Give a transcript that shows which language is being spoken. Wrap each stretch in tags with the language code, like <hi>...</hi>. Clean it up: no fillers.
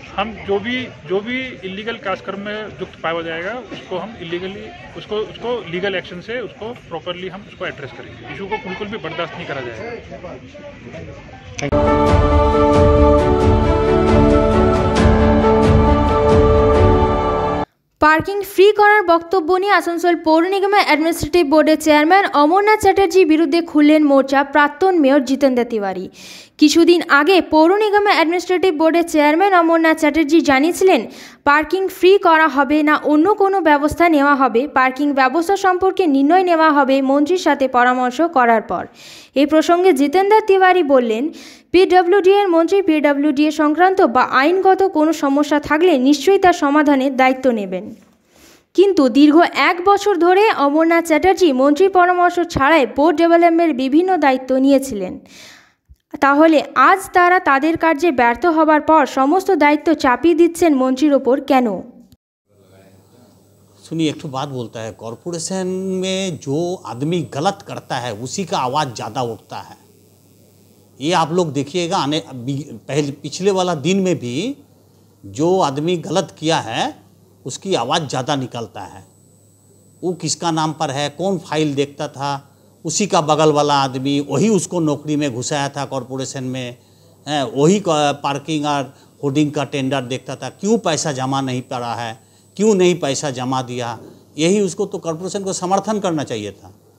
<hi>हम जो भी इलीगल कार्यक्रम में युक्त पाया जाएगा उसको हम इलीगली उसको लीगल एक्शन से उसको प्रॉपरली हम उसको एड्रेस करेंगे। इशू को बिल्कुल भी बर्दाश्त नहीं करा जाएगा।</hi> <bn>পার্কিং ফ্রি করার বক্তব্য নিয়ে আসানসোল পৌর নিগমের অ্যাডমিনিস্ট্রেটিভ বোর্ডের চেয়ারম্যান অমরনাথ চ্যাটার্জির বিরুদ্ধে খুললেন মোর্চা প্রাক্তন মেয়র জিতেন্দ্র তিওয়ারি। কিছুদিন আগে পৌর নিগমের অ্যাডমিনিস্ট্রেটিভ বোর্ডের চেয়ারম্যান অমরনাথ চ্যাটার্জি জানিয়েছিলেন, পার্কিং ফ্রি করা হবে না অন্য কোনো ব্যবস্থা নেওয়া হবে, পার্কিং ব্যবস্থা সম্পর্কে নির্ণয় নেওয়া হবে মন্ত্রীর সাথে পরামর্শ করার পর। এই প্রসঙ্গে জিতেন্দ্র তিওয়ারি বললেন, পিডব্লিউডিএর মন্ত্রী পিডব্লিউডিএ সংক্রান্ত বা আইনগত কোনো সমস্যা থাকলে নিশ্চয়ই তার সমাধানের দায়িত্ব নেবেন। কিন্তু দীর্ঘ 1 বছর ধরে অমরনাথ চ্যাটার্জি মন্ত্রীর পরামর্শ ছাড়াই বোর্ড ডেভেলপমেন্টের বিভিন্ন দায়িত্ব নিয়েছিলেন, তাহলে আজ তারা তাদের কার্যে ব্যর্থ হবার পর সমস্ত দায়িত্ব চাপিয়ে দিচ্ছেন মন্ত্রীর ওপর কেন?</bn> <hi>শুনি একটু বাত বলতে হয়, কর্পোরেশন মে জো আদমি গলত করতা হ্যায় উসি কা আওয়াজ জাদা উঠতা হ্যায়। ये आप लोग देखिएगा, आने पहले पिछले वाला दिन में भी जो आदमी गलत किया है उसकी आवाज़ ज़्यादा निकलता है। वो किसका नाम पर है, कौन फाइल देखता था, उसी का बगल वाला आदमी, वही उसको नौकरी में घुसाया था कॉरपोरेशन में, वही पार्किंग और होर्डिंग का टेंडर देखता था, क्यों पैसा जमा नहीं पड़ा है, क्यों नहीं पैसा जमा दिया, यही उसको तो कॉरपोरेशन को समर्थन करना चाहिए था।</hi>